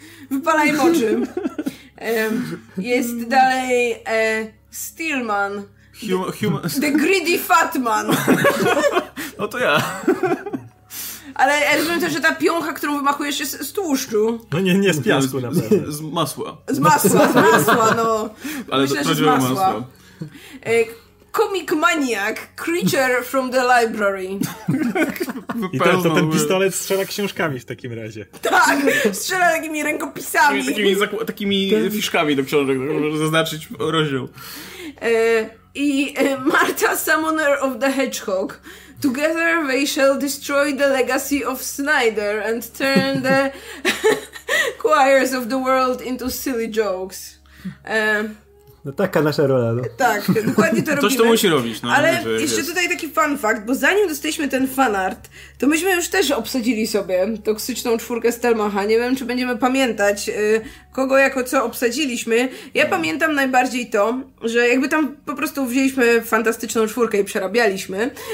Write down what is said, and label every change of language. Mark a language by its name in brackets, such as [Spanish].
[Polish] Wypalaj oczy. Jest dalej Steelman. [English] The Greedy Fat Man. [Polish] No to ja. Ale ja rozumiem też, że ta piącha, którą wymachujesz, jest z tłuszczu. No nie, nie z piasku na pewno. Z masła. Ale myślę, to, że z masła. [English] Comic Maniac, Creature from the Library. [Polish] I to ten pistolet strzela książkami w takim razie. Tak, strzela takimi rękopisami. Takimi fiszkami do książek, żeby zaznaczyć rozdział. [English] I Martha, Summoner of the Hedgehog. Together they shall destroy the legacy of Snyder and turn the choirs of the world into silly jokes. [Polish] No taka nasza rola, no. Tak, dokładnie to robimy. Coś to musi robić, no. Ale jeszcze jest tutaj taki fun fact, bo zanim dostaliśmy ten fanart, to myśmy już też obsadzili sobie toksyczną czwórkę Stelmacha. Nie wiem, czy będziemy pamiętać, kogo jako co obsadziliśmy. Ja pamiętam najbardziej to, że jakby tam po prostu wzięliśmy fantastyczną czwórkę i przerabialiśmy.